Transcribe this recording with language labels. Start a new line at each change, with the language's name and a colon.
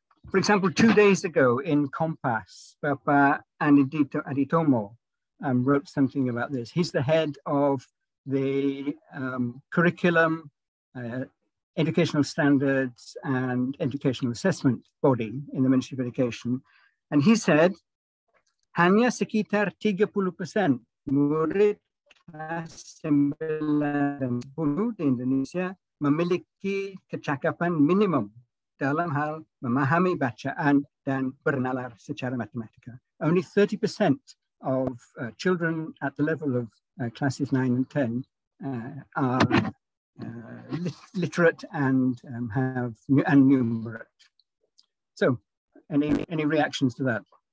English: For example, 2 days ago in Kompas, Bapa Andito Aditomo wrote something about this. He's the head of the curriculum, educational standards and educational assessment body in the Ministry of Education. And he said,
Indonesian: hanya sekitar 30% murid kelas 9 dan 10 di Indonesia memiliki kecakapan minimum dalam hal memahami bacaan dan bernalar secara matematika.
English: Only 30% of children at the level of classes 9 and 10 are literate and have and numerate. So, any reactions to that?